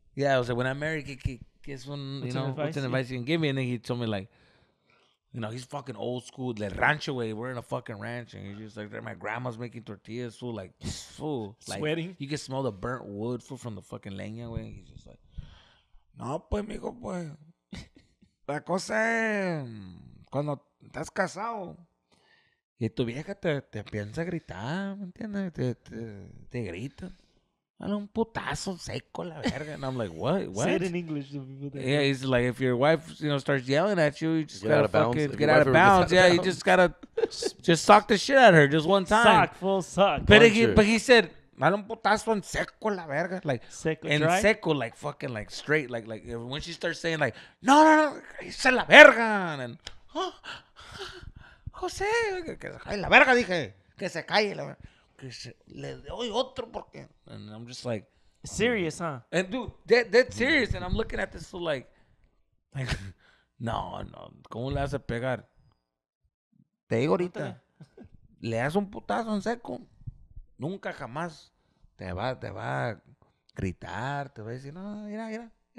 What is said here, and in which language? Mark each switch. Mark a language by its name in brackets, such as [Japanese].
[English] Yeah, I was like, when I'm married, what's an advice you can give me? And then he told me like, you know, he's fucking old school, the rancho way. We're in a fucking ranch, and he's just like, my grandma's making tortillas, fool, like fool, like, sweating. You can smell the burnt wood fool, from the fucking leña way. He's just like. [Spanish] No, pues, mijo, pues, la cosa es cuando estás casado y tu vieja te piensa gritar, ¿me entiendes? Te grita. Dale un putazo seco la verga. [English] And I'm like, what? Say it in English. Yeah, he's like, if your wife, you know, starts yelling at you, you just gotta fucking get out of bounds. Yeah, you just gotta just sock the shit at her just one time. Sock, full sock. But he said... [Spanish] Dale un putazo en seco la verga. Like, seco, en [English] dry? Seco, like, fucking, like, straight. Like, when she starts saying, like, [Spanish] no, hice la verga. [English] And, oh, [Spanish] José, que se calle la verga, dije. Que se calle la verga. le doy otro porque. [English] And I'm just like, serious, huh? And dude, that's serious. And I'm looking at this so like, no. [Spanish] ¿Cómo le vas a pegar? Te digo ahorita, le das un putazo en seco, nunca jamás te va a gritar, te va a decir, no, mira.